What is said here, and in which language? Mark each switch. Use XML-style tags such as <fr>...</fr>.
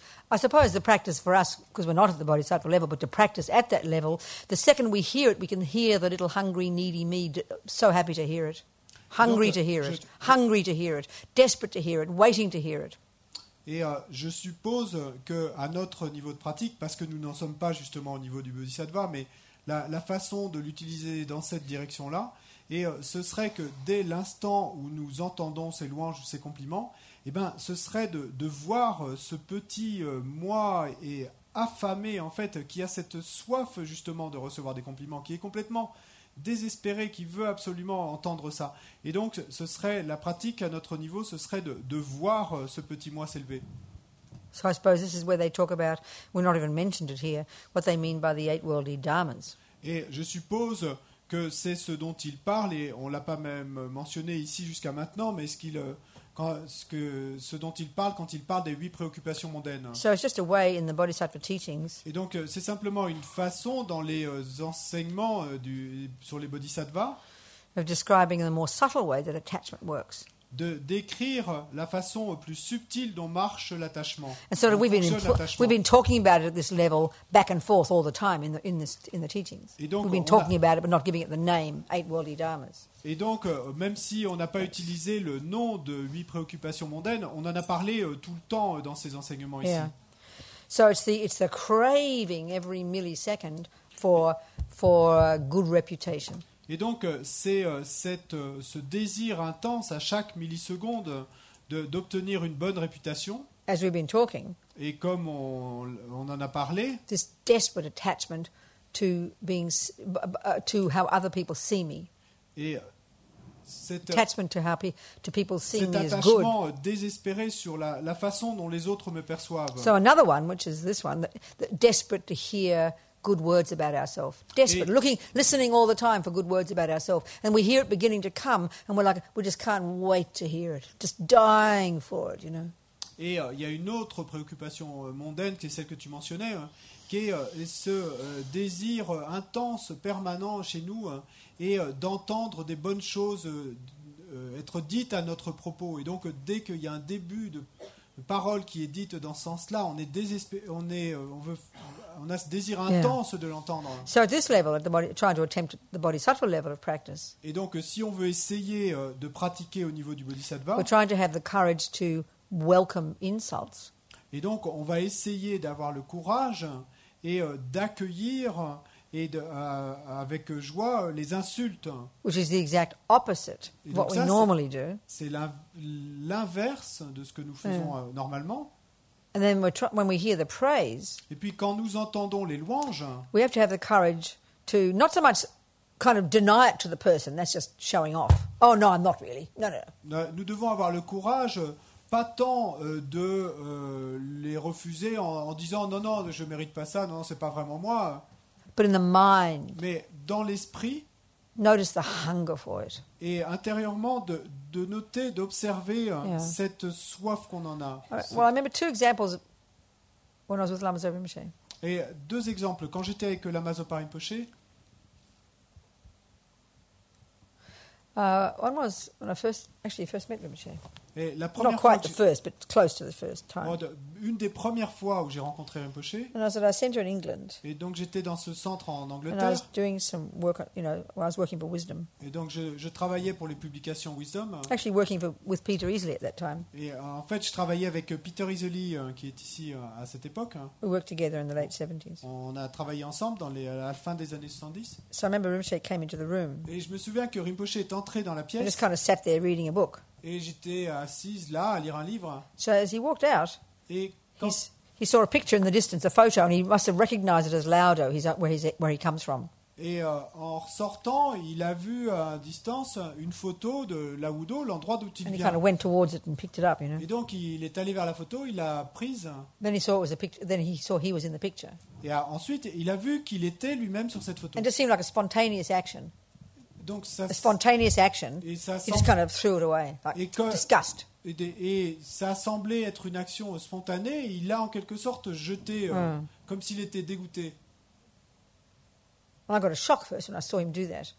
<en>I suppose the practice for us, because we're not at the bodhisattva level, but to practice at that level, the second we hear it, we can hear the little hungry, needy me, so happy to hear it. Hungry to hear it. Hungry to hear it. Desperate to hear it. Waiting to hear it.</en> <fr>Et je suppose qu'à notre niveau de pratique, parce que nous n'en sommes pas justement au niveau du bodhisattva, mais la façon de l'utiliser dans cette direction-là, et ce serait que dès l'instant où nous entendons ces louanges ou ces compliments, eh bien, ce serait de voir ce petit moi et affamé, en fait, qui a cette soif, justement, de recevoir des compliments, qui est complètement désespéré, qui veut absolument entendre ça. Et donc, ce serait la pratique à notre niveau, ce serait de voir ce petit moi s'élever.</fr> <en>So I suppose this is where they talk about, we're not even mentioned it here, what they mean by the eight worldly dharmas.</en> <fr>Et je suppose que c'est ce dont ils parlent, et on ne l'a pas même mentionné ici jusqu'à maintenant, mais ce qu'ils ce dont il parle quand il parle des huit préoccupations mondaines.</fr> <en>So it's just a way in the Bodhisattva teachings.</en> <fr>Et donc c'est simplement une façon dans les enseignements sur les Bodhisattvas</fr> <en>of describing in a more subtle way that attachment works.</en> <fr>De décrire la façon plus subtile dont marche l'attachement.</fr> <en>And so we've been talking about it at this level back and forth all the time in the teachings.</en> <fr>Et donc,</fr> <en>we've been talking about it but not giving it the name eight worldly dharmas.</en> <fr>Et donc même si on n'a pas utilisé le nom de huit préoccupations mondaines, on en a parlé tout le temps dans ces enseignements ici.</fr> <en>Yeah. So it's the craving every millisecond for a good reputation.</en> <fr>Et donc, c'est ce désir intense à chaque milliseconde d'obtenir une bonne réputation.</fr> <en>As we've been talking,</en> <fr>et comme on en a parlé,</fr> <en>this desperate attachment to being to how other people see me.</en> <fr>Et cet attachement désespéré sur la façon dont les autres me perçoivent.</fr> <en>So another one, which is this one, that desperate to hear good words about ourselves, desperate, listening all the time for good words about ourselves, and we hear it beginning to come, and we're like, we just can't wait to hear it, just dying for it, you know.</en> <fr>Et il y a une autre préoccupation mondaine qui est celle que tu mentionnais, qui est désir intense permanent chez nous et d'entendre des bonnes choses être dites à notre propos. Et donc dès qu'il y a un début de parole qui est dite dans ce sens-là, on a ce désir intense de l'entendre.</fr> <en>So at this level, trying to attempt the bodhisattva level of practice.</en> <fr>Et donc, si on veut essayer de pratiquer au niveau du bodhisattva,</fr> <en>we're trying to have the courage to welcome insults.</en> <fr>Et donc, on va essayer d'avoir le courage et d'accueillir et avec joie les insultes.</fr> <en>Which is the exact opposite of what we normally do.</en> <fr>C'est l'inverse de ce que nous faisons normalement.</fr> <en>And then when we hear the praise,</en> <fr>et puis quand nous entendons les louanges,</fr> <en>we have to have the courage to not so much kind of deny it to the person. That's just showing off. Oh no, I'm not really. No.</en> <fr>Nous devons avoir le courage, pas tant de les refuser en disant non, je mérite pas ça, non, c'est pas vraiment moi.</fr> <en>But in the mind,</en> <fr>mais dans l'esprit,</fr> <en>notice the hunger for it.</en> <fr>Et intérieurement de noter, d'observer cette soif qu'on en a.</fr> <en>Well, I remember two examples when I was with Lama Zopa Rinpoche.</en> <fr>Et deux exemples quand j'étais avec Lama Zopa Rinpoche.</fr> <en>One was when I first met Rinpoche.</en> <fr>Et la première fois.</fr> <en>Not quite the first, but close to the first time.</en> <fr>Une des premières fois où j'ai rencontré Rinpoche.</fr> <en>And I was at a centre in England.</en> <fr>Et donc j'étais dans ce centre en Angleterre.</fr> <en>And I was doing some work, you know, when I was working for Wisdom.</en> <fr>Et donc je travaillais pour les publications Wisdom.</fr> <en>Actually working with Peter Easley at that time.</en> <fr>Et en fait je travaillais avec Peter Easley qui est ici à cette époque.</fr> <en>We worked together in the late 70s.</en> <fr>On a travaillé ensemble à la fin des années 70.</fr> <en>So I remember Rinpoche came into the room.</en> <fr>Et je me souviens que Rinpoche est entré dans la pièce.</fr> <en>And just kind of sat there reading a book.</en> <fr>Et j'étais assise là à lire un livre.</fr> <en>So as he walked out, he saw a picture in the distance, a photo, and he must have recognized it as Laudo, where he comes from.</en> <fr>Et en sortant, il a vu à distance une photo de Laudo, l'endroit d'où il vient.</fr> <en>And he kind of went towards it and picked it up, you know.</en> <fr>Et donc il est allé vers la photo, il l'a prise.</fr> <en>Then he saw it was a picture. Then he saw he was in the picture.</en> <fr>Et ensuite, il a vu qu'il était lui-même sur cette photo.</fr> <en>And it just seemed like a spontaneous action.</en> <fr>Donc ça,</fr> <en>a spontaneous action, he just kind of threw it away, disgust.</en> <fr>Et ça semblait être une action spontanée, et il l'a en quelque sorte jeté, comme s'il était dégoûté.</fr> <en>Well, I got a shock first when I saw him do that.</en>